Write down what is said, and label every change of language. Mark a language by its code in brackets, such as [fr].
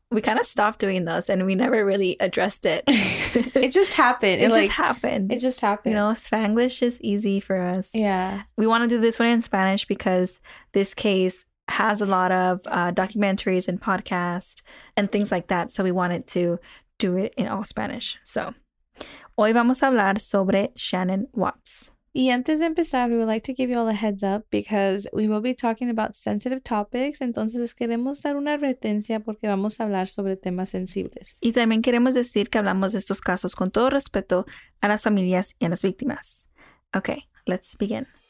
[en] We kind of stopped doing those and we never really addressed it. It just happened. It just happened. You know, Spanglish is easy for us. Yeah. We want to do this one in Spanish because this case has a lot of documentaries and podcasts and things like that. So we wanted to do it in all Spanish. So, [es] hoy vamos a hablar sobre Shannon Watts. Y antes de empezar, [en] we would like to give you all a heads up because we will be talking about sensitive topics. [es] Entonces, queremos dar una advertencia porque vamos a hablar sobre temas sensibles. Y también queremos decir que hablamos de estos casos con todo respeto a las familias y a las víctimas. [en] Okay, let's begin.